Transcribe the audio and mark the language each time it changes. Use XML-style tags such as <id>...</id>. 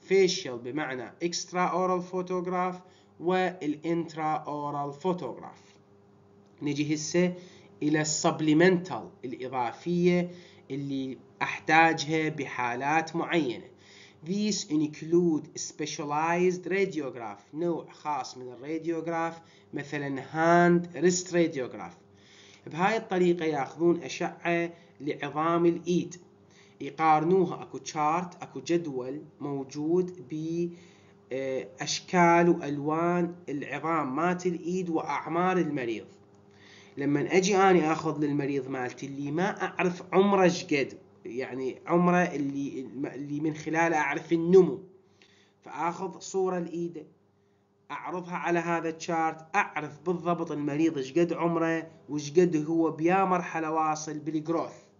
<en>facial بمعنى extraoral photograph والintraoral photograph.</en> <ar>نجي هسه الى supplemental الاضافية اللي احتاجها بحالات معينة.</ar> <en>these include specialized radiograph،</en> <ar>نوع خاص من الراديوغراف مثلا</ar> <en>hand wrist radiograph.</en> <ar>بهاي الطريقة ياخذون اشعة لعظام الايد، يقارنوها اكو تشارت اكو جدول موجود باشكال والوان العظام مات الايد واعمار المريض. لما اجي اني اخذ للمريض مالتي اللي ما اعرف عمره شقد، يعني عمره اللي من خلاله اعرف النمو، فاخذ صورة الايد اعرضها على هذا التشارت، اعرف بالضبط المريض شقد عمره وشقد هو بيا مرحلة واصل بالجروث.</ar>